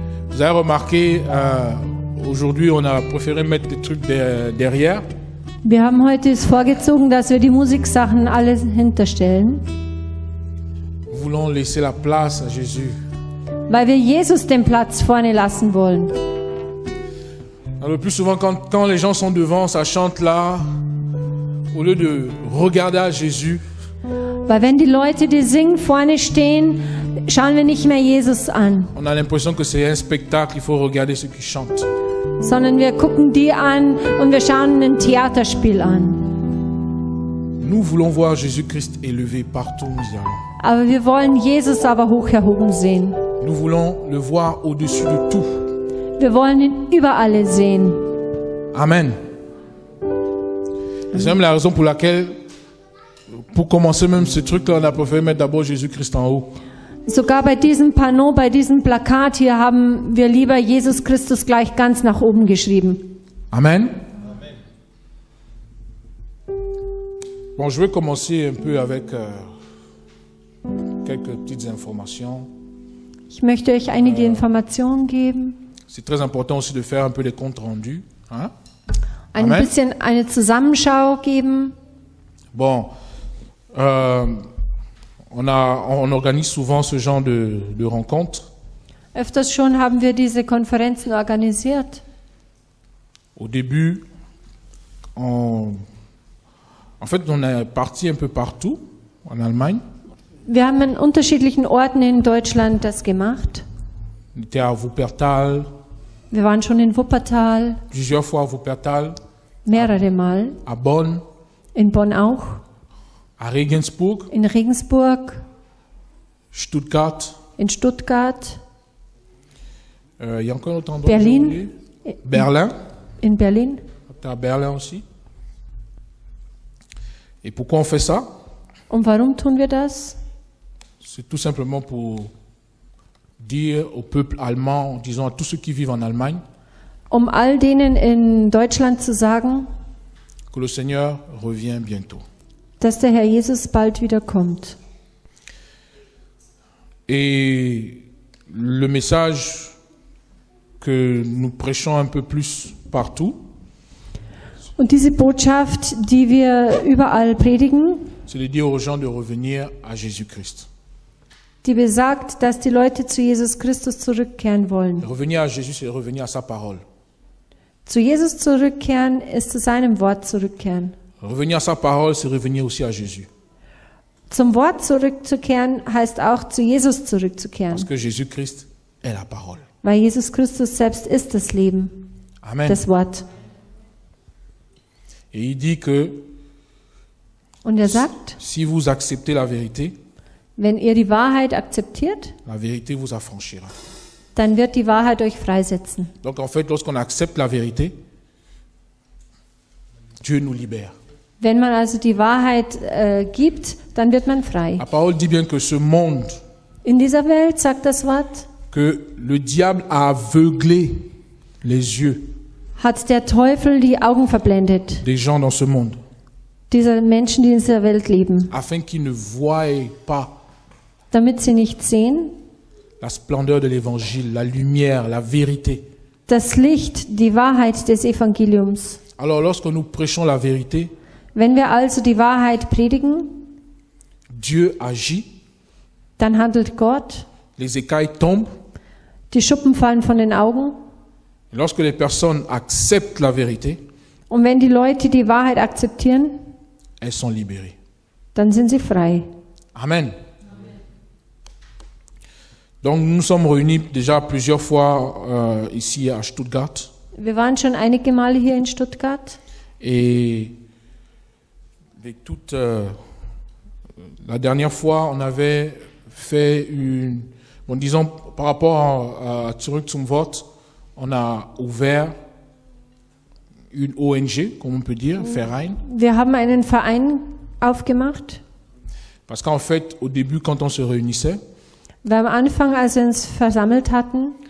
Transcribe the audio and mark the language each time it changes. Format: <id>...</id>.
<fr>Vous avez remarqué, aujourd'hui, on a préféré mettre les trucs derrière.</fr> <de>Wir haben heute es vorgezogen, dass wir die Musiksachen alle hinterstellen. Wir wollen</de> <fr>laisser la place à Jésus.</fr> <de>Weil wir Jesus den Platz vorne lassen wollen.</de> <fr>Le plus souvent, quand les gens sont devant, ça chante là, au lieu de regarder à Jésus.</fr> <de>Weil wenn die Leute, die singen, vorne stehen, schauen wir nicht mehr Jesus an.</de> <fr>On a l'impression que c'est un spectacle, il faut regarder ceux qui chantent.</fr> <de>Sondern wir gucken die an und wir schauen ein Theaterspiel an.</de> <fr>Nous voulons voir Jésus-Christ élevé partout où nous allons.</fr> <de>Aber wir wollen Jesus aber hoch erhoben sehen.</de> <fr>Nous voulons le voir au-dessus de tout.</fr> <de>Wir wollen ihn über alle sehen. Amen. Amen.</de> <fr>C'est même la raison pour laquelle, pour commencer même ce truc-là, on a préféré mettre d'abord Jésus-Christ en haut.</fr> <de>Sogar bei diesem Panneau, bei diesem Plakat hier haben wir lieber Jesus Christus gleich ganz nach oben geschrieben. Amen.</de> <fr>Bon, je vais commencer un peu avec quelques petites informations.</fr> <de>Ich möchte euch einige Informationen geben.</de> <fr>C'est très important aussi de faire un peu des comptes rendus, hein?</fr> <de>Ein Amen. Bisschen eine Zusammenschau geben.</de> <fr>Bon. On organise souvent ce genre de rencontres.</fr> <de>Öfters schon haben wir diese Konferenzen organisiert.</de> <fr>Au début, on est parti un peu partout en Allemagne.</fr> <de>Wir haben in unterschiedlichen Orten in Deutschland das gemacht.</de> <fr>On était à Wuppertal.</fr> <de>Wir waren schon in Wuppertal.</de> <fr>Plusieurs fois à Wuppertal.</fr> <de>Mehrere Mal.</de> <fr>À Bonn.</fr> <de>In Bonn auch.</de> <fr>À Regensburg.</fr> <de>In Regensburg.</de> <fr>Stuttgart.</fr> <de>In Stuttgart.</de> <fr>Y a encore autant Berlin.</fr> <de>Berlin. In Berlin.</de> <fr>À Berlin aussi. Et pourquoi on fait ça?</fr> <de>Und warum tun wir das?</de> <fr>C'est tout simplement pour dire au peuple allemand, disons à tous ceux qui vivent en Allemagne,</fr> <de>um all denen in Deutschland zu sagen,</de> <fr>que le Seigneur revient bientôt.</fr> <de>Dass der Herr Jesus bald wiederkommt.</de> <fr>Et le message que nous prêchons un peu plus partout.</fr> <de>Und diese Botschaft, die wir überall predigen.</de> <fr>C'est de dire aux gens de revenir à Jésus-Christ.</fr> <de>Die besagt, dass die Leute zu Jesus Christus zurückkehren wollen.</de> <fr>Revenir à Jésus, c'est revenir à sa parole.</fr> <de>Zu Jesus zurückkehren ist zu seinem Wort zurückkehren.</de> <fr>Revenir à sa parole, c'est revenir aussi à Jésus.</fr> <de>Zum Wort zurückzukehren heißt auch zu Jesus zurückzukehren.</de> <fr>Parce que Jésus-Christ est la parole.</fr> <de>Weil Jesus Christus selbst ist das Leben. Amen. Das Wort.</de> <fr>Et il dit que</fr> <de>Und er sagt,</de> <fr>si vous acceptez la vérité,</fr> <de>wenn ihr die Wahrheit akzeptiert,</de> <fr>la vérité vous affranchira.</fr> <de>Dann wird die Wahrheit euch freisetzen.</de> <fr>Donc en fait, lorsqu'on accepte la vérité, Dieu nous libère.</fr> <de>Wenn man also die Wahrheit gibt, dann wird man frei.</de> <fr>La parole dit bien que ce monde,</fr> <de>in dieser Welt sagt das Wort,</de> <fr>que le diable a aveuglé les yeux,</fr> <de>hat der Teufel die Augen verblendet,</de> <fr>des gens dans ce monde,</fr> <de>dieser Menschen, die in dieser Welt leben,</de> <fr>afin qu'ils ne voient pas,</fr> <de>damit sie nicht sehen,</de> <fr>la splendeur de l'évangile, la lumière, la vérité,</fr> <de>das Licht, die Wahrheit des Evangeliums.</de> <fr>Alors lorsque nous prêchons la vérité,</fr> <de>wenn wir also die Wahrheit predigen,</de> <fr>Dieu agit,</fr> <de>dann handelt Gott,</de> <fr>les écailles tombent,</fr> <de>die Schuppen fallen von den Augen,</de> <fr>et lorsque les personnes acceptent la vérité,</fr> <de>und wenn die Leute die Wahrheit akzeptieren,</de> <fr>elles sont libérées,</fr> <de>dann sind sie frei. Amen. Amen.</de> <fr>Donc nous sommes réunis déjà plusieurs fois ici à Stuttgart.</fr> <de>Wir waren schon einige Male hier in Stuttgart.</de> <fr>Et avec toute la dernière fois, on avait fait une, bon, disons par rapport à</fr> <de>zurück zum Wort,</de> <fr>on a ouvert une ONG, comme on peut dire, Verein.</fr> <de>Wir haben einen Verein aufgemacht.</de> <fr>Parce qu'en fait, au début, quand on se réunissait,</fr> <de>weil am Anfang, als wir uns versammelt hatten,</de>